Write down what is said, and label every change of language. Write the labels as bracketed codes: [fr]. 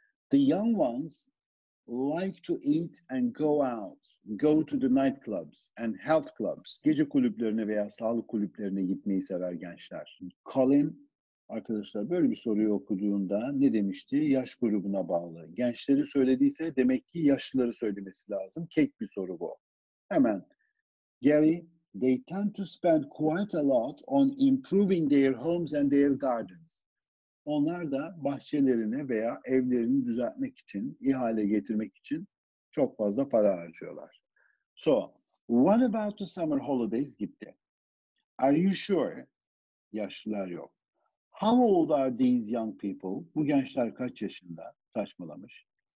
[en] The young ones like to eat and go out. Go to the nightclubs and health clubs. [tr] Gece kulüplerine veya sağlık kulüplerine gitmeyi sever gençler. Colin, arkadaşlar böyle bir soruyu okuduğunda ne demişti? Yaş grubuna bağlı. Gençleri söylediyse demek ki yaşlıları söylemesi lazım. Kek bir soru bu. Hemen. [en] Gary, they tend to spend quite a lot on improving their homes and their gardens. [tr] Onlar da bahçelerini veya evlerini düzeltmek için, ihale getirmek için çok fazla para harcıyorlar. [en] So, what about the summer holidays [tr] gitti? [en] Are you sure? [tr] Yaşlılar yok. [en] How old are these young people? [tr] Bu gençler kaç yaşında? Saçmalamış.